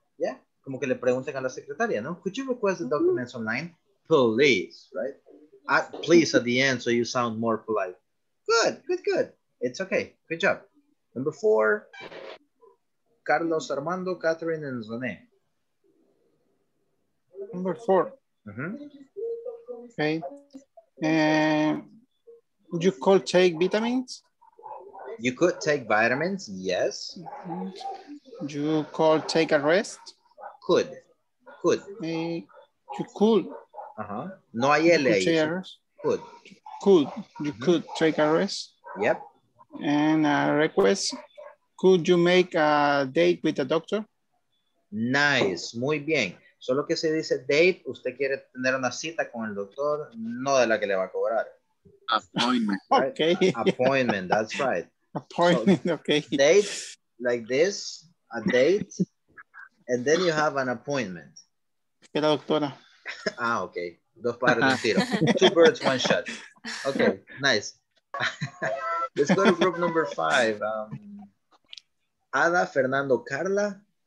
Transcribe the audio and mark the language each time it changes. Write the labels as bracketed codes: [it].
[es] Yeah, como que le pregunten a la secretaria, ¿no? [en] Could you request the documents online? Please, right? At please at the end so you sound more polite. Good, good, good. It's okay. Good job. Number four, Carlos, Armando, Catherine, and Zane. Number four. Mm-hmm. Okay. Would you call take vitamins? You could take vitamins, yes. Mm-hmm. Would you call take a rest? Could. Could. You could. [es] Uh-huh. No hay L ahí. Could. [en] Could. You mm-hmm. could take a rest. Yep. And a request. Could you make a date with a doctor? [es] Nice. Muy bien. Solo que se dice date, usted quiere tener una cita con el doctor, no de la que le va a cobrar. [en] Appointment. Right? Okay. Appointment, that's right. Appointment, so, okay. Date, like this, a date, and then you have an appointment. [es] ¿Qué la doctora? [en] Ah, okay. [es] Dos pares de un tiro. [en] Two birds, one shot. Okay, nice. Let's go to group number five. Ada, Fernando, Carla.